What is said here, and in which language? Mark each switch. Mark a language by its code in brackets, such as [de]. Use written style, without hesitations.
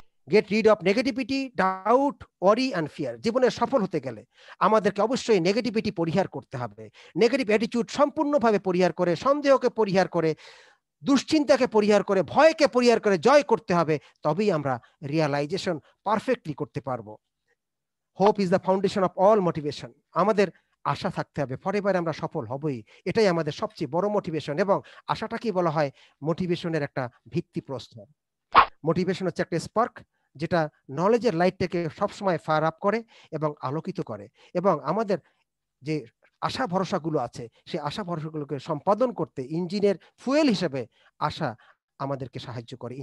[en] Get rid of negativity, doubt, worry and fear. [bn] জীবনে সফল হতে গেলে আমাদেরকে অবশ্যই নেগেটিভিটি পরিহার করতে হবে. নেগেটিভ অ্যাটিচিউড সম্পূর্ণভাবে পরিহার করে, সন্দেহকে পরিহার করে, দুশ্চিন্তাকে পরিহার করে, ভয়কে পরিহার করে জয় করতে হবে, তবেই আমরা রিয়ালাইজেশন পারফেক্টলি করতে পারবো. [en] Hope is the foundation of all motivation. [bn] আমাদের আশা থাকতে হবে ফরেভার আমরা সফল হবই, এটাই আমাদের সবচেয়ে বড় মোটিভেশন. এবং আশাটাকেই বলা হয় মোটিভেশনের একটা ভিত্তি প্রস্তর. মোটিভেশন হচ্ছে একটা স্পার্ক যেটা নলেজের লাইটটাকে সবসময় ফায়ার আপ করে এবং আলোকিত করে, এবং আমাদের যে আশা ভরসাগুলো আছে সেই আশা ভরসাগুলোকে সম্পাদন করতে ইঞ্জিনের ফুয়েল হিসেবে আশা আমাদেরকে সাহায্য করে.